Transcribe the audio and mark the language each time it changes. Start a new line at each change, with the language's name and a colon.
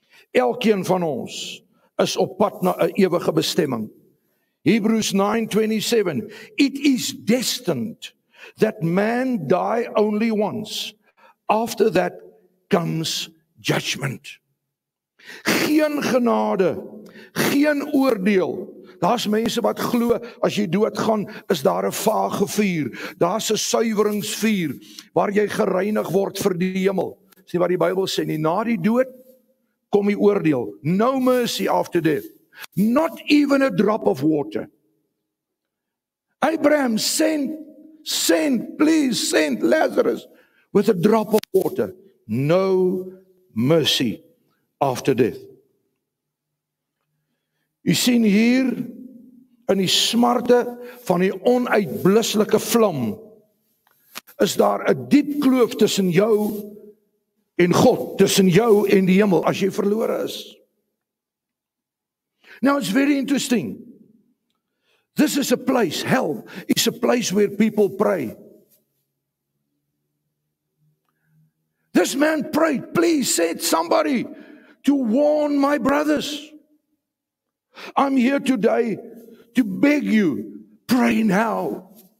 Afrikaans: Elkeen van ons is op pad na 'n ewige bestemming.
English: Hebrews 9:27, it is destined that man die only once, after that comes judgment.
Afrikaans: Geen genade, geen oordeel. Daar's mense wat glo as jy doodgaan is daar 'n vage vuur, daar's 'n suiweringsvuur waar jy gereinig word vir die hemel. Dis nie wat die Bybel sê nie. Na die dood kom die oordeel.
English: No mercy after death. Not even a drop of water. Abraham, send Lazarus with a drop of water. No mercy after death.
Afrikaans: U sien hier in die smarte van die onuitbluslike vlam is daar 'n diep kloof tussen jou en God, tussen jou en die hemel as jy verlore is.
English: Now it's very interesting. This is a place, hell is a place where people pray. This man prayed, please send somebody to warn my brothers. I'm here today to beg you, pray now.